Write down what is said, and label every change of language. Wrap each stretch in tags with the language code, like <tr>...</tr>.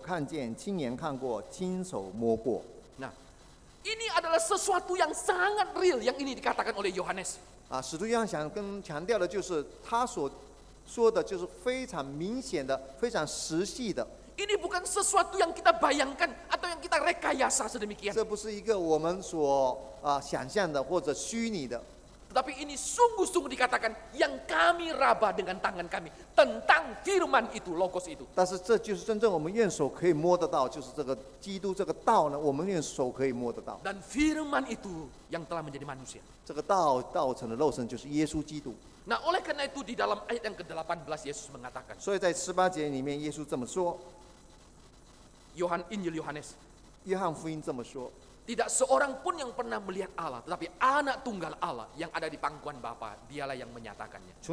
<zh>约翰一书第一章第一节论到从起初原有的生命之道，就是我们所听见、所看见、亲眼看过、亲手摸过。</zh> <id>Nah, ini adalah sesuatu yang sangat real yang ini dikatakan oleh Yohanes.</id> <zh>使徒约翰想强调的就是他所说的就是非常明显的、非常实际的。</zh> <id>Ini bukan sesuatu yang kita bayangkan atau yang kita rekayasa sedemikian.</id> <zh>这不是一个我们所想象的或者虚拟的。</zh> <id>Tetapi ini sungguh-sungguh dikatakan yang kami raba dengan tangan kami tentang firman itu, logos itu.</id> <zh>但是这就是真正我们用手可以摸得到，就是这个基督这个道呢，我们用手可以摸得到。</zh> <id>Dan firman itu yang telah menjadi manusia.</id> <zh>这个道成的肉身就是耶稣基督。</zh> <id>Nah, oleh karena itu di dalam ayat yang ke-18 Yesus mengatakan.</id> <zh>所以在18节里面耶稣这么说。</zh> <id>Yohan, Injil Yohanes.</id> <zh>约翰福音这么说。</zh> <id>Tidak seorang pun yang pernah melihat Allah, tetapi anak tunggal Allah yang ada di pangkuan Bapa, dialah yang menyatakannya.</id>